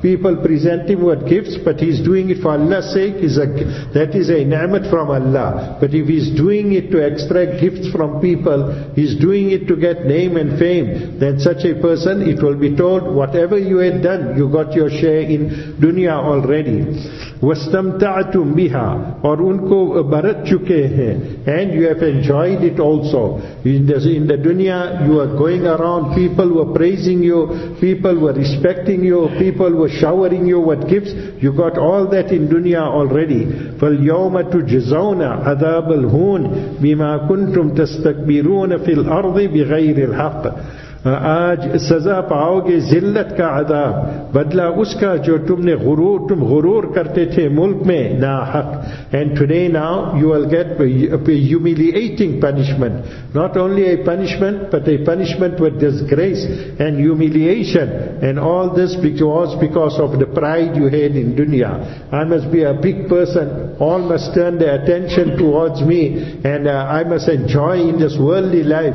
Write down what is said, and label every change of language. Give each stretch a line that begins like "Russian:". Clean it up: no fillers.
English: People present him with gifts, but he's doing it for Allah's sake, that is a ni'mat from Allah. But if he's doing it to extract gifts from people, he's doing it to get name and fame, then such a person, it will be told, whatever you had done, you got your share in dunya already.
Arabic: وَاسْتَمْتَعْتُمْ بِهَا
Urdu: اور ان کو برت چکے ہیں.
English: And you have enjoyed it also. In the dunya, you are going around, people were praising you, people were respecting you, people were showering you with gifts. You got all that in dunya already.
Arabic: فَالْيَوْمَ تُجْزَوْنَ عَذَابَ الْهُونَ بِمَا كُنْتُمْ تَسْتَكْبِرُونَ فِي الْأَرْضِ بِغَيْرِ الْحَقِّ.
Urdu: آج سزا پاؤ گے ذلت کا عذاب, بدلہ اس کا جو تم غرور کرتے تھے ملک میں نا حق.
English: And today now you will get a humiliating punishment, not only a punishment but a punishment with disgrace and humiliation, and all this because of the pride you had in dunya. I must be a big person, all must turn their attention towards me, and I must enjoy in this worldly life.